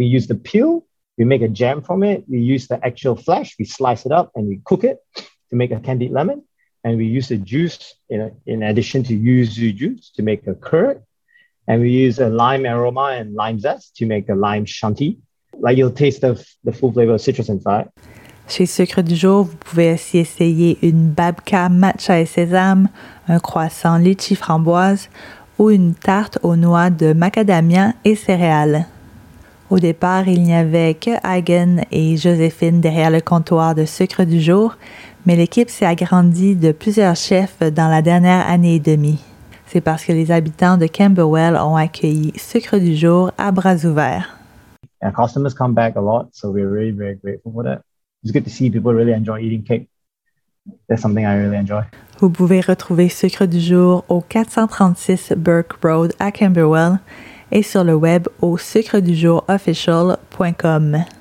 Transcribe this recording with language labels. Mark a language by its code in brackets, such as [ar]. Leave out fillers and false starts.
[en] We use the peel. We make a jam from it. We use the actual flesh. We slice it up and we cook it to make a candied lemon. And we use the juice in addition to yuzu juice to make a curd. And we use a lime aroma and lime zest to make a lime shanty. Like you'll taste the full flavor of citrus inside. [fr] Chez Sucre du jour, vous pouvez aussi essayer une babka matcha et sésame, un croissant litchi framboise ou une tarte aux noix de macadamia et céréales. Au départ, il n'y avait que Hagen et Joséphine derrière le comptoir de Sucre du jour, mais l'équipe s'est agrandie de plusieurs chefs dans la dernière année et demie. C'est parce que les habitants de Camberwell ont accueilli Sucre du jour à bras ouverts. [en] Our customers come back a lot, so we're really very grateful for that. It's good to see people really enjoy eating cake. That's something I really enjoy. [fr] Vous pouvez retrouver Sucre du jour au 436 Burke Road à Camberwell et sur le web au sucredujourofficial.com.